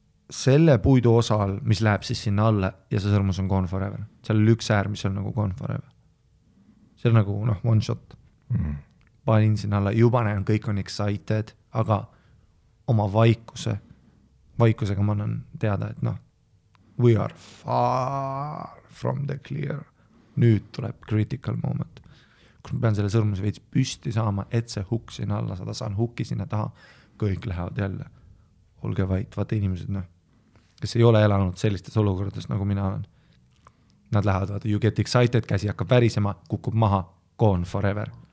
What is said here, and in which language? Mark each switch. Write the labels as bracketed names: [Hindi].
[Estonian] Selle puidu osal, mis läheb siis sinna alle ja see sõrmus on [English] gone forever. [Estonian] Seal oli üks äär, mis on nagu [English] gone forever. [Estonian] See on nagu [English] no, one shot. Mm-hmm. [Estonian] Panin sinna alla, juba näen, kõik on excited, aga oma vaikusega ma annan teada, et noh, [English] we are far from the clear. [Estonian] Nüüd tuleb [English] critical moment. [Estonian] Kui ma pean selle sõrmuse veids püsti saama, et see hukk sinna alla saada, saan hukki sinna taha, kõik lähevad jälle. Olge vaid, vaata inimesed, noh, kes ei ole elanud sellistes olukordes, nagu mina olen. Nad lähevad, vaata, [English] you get excited, [Estonian] käsi hakkab värisema, kukub maha, [English] gone forever.